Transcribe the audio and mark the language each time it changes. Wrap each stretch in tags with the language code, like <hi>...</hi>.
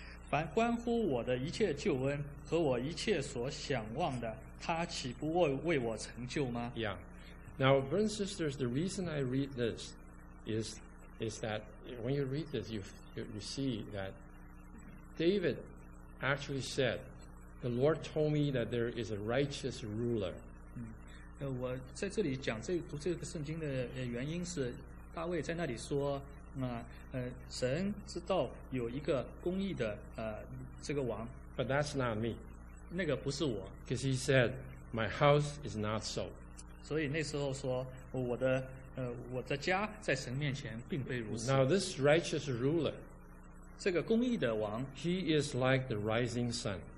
<zh>凡关乎我的一切救恩和我一切所想望的，他岂不为我成就吗？ Yeah.</zh> <en>Now, brothers and sisters, the reason I read this is that when you read this, you see that David actually said, "The Lord told me that there is a righteous ruler."</en> <zh>我在这里讲这读这个圣经的原因是大卫在那里说神知道有一个公义的这个王</zh> <en>But that's not me</en> <zh>那个不是我。</zh> <en>Because he said, my house is not so.</en> <zh>所以那时候说，我的我的家在神面前并非如此。</zh> <en>Now this righteous ruler,</en> <zh>这个公义的王，</zh> <en>he is like the rising sun.</en>